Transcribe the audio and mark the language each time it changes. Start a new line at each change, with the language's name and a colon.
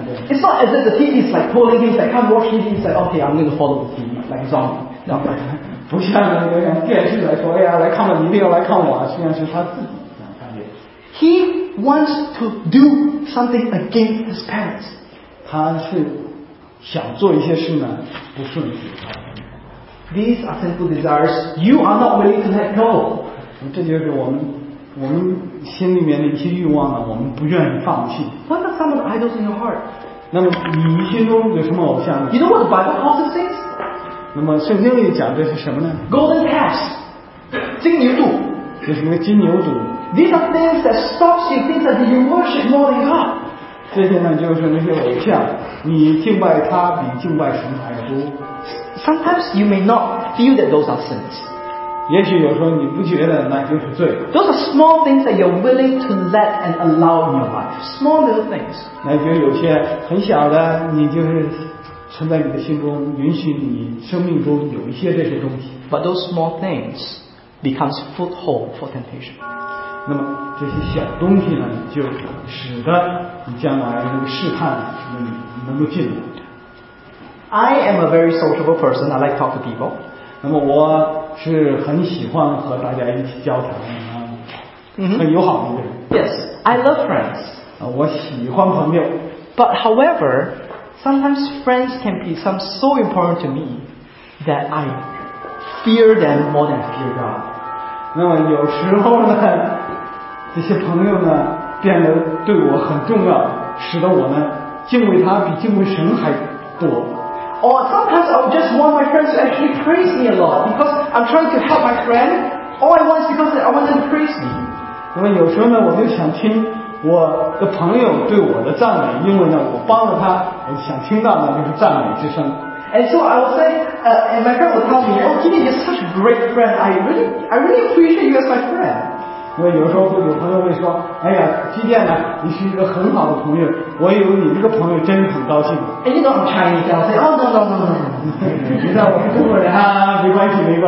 English: It's not as if the TV is like pulling him, like can't watch TV. It's like okay, I'm going to follow the TV, like zombie.
Chinese: 不像那个像电视来说，哎呀，来看我，你一定要来看我。实际上是他自己想看电视。
English: He wants to do something against his parents.
Chinese: 他是想做一些事呢，不顺服。
English: These are sinful desires. You are not willing to let go.
Chinese: 这就是我们心里面的一些欲望呢，我们不愿意放弃。
English: What are some of the idols in your heart?
Chinese: 那么你心中有什么偶像呢
English: ？You know what the Bible calls these things?
Chinese: 那么圣经里讲的是什么呢
English: ？Golden calves, 金牛犊。
Chinese: 这是那个金牛犊。
English: These are things that stops you, things that you worship more than God.
Chinese: 这些呢就是那些偶像，你敬拜他比敬拜神还多。
English: Sometimes you may not feel that those are sins.
Chinese: 也许有时候你不觉得那就是罪。
English: Those are small things that you're willing to let and allow in your life. Small little things.
Chinese: 那就有些很小的，你就是存在你的心中，允许你生命中有一些这些东西。
English: But those small things becomes foothold for temptation.
Chinese: 那么这些小东西呢，就使得你将来那个试探能够进来。
English: I am a very sociable person. I like to talk to people.
Chinese: 那么我是很喜欢和大家一起交谈，很友好的一个人。
English: Yes, I love friends.
Chinese: 我喜欢朋友。
English: But however, sometimes friends can be some so important to me that I fear them more than fear God.
Chinese: 那么有时候呢，这些朋友呢变得对我很重要，使得我呢敬畏他比敬畏神还多。
English: Or sometimes I would just want my friends to actually praise me a lot because I'm trying to help my friend. All I want is because I want them to praise me.
Chinese: 那么有时候呢，我就想听我的朋友对我的赞美，因为呢，我帮了他，我想听到呢就是赞美之声。
English: And so I would say, and my friend would tell me, "Oh, Jimmy, you're such a great friend. I really appreciate you as my friend."
Chinese: 因为有时候有朋友会说，哎呀，基甸呢，你是一个很好的朋友，我以为你这个朋友真的很高兴。哎，你懂 Chinese， 我说 no，你在我们中国人啊，没关系。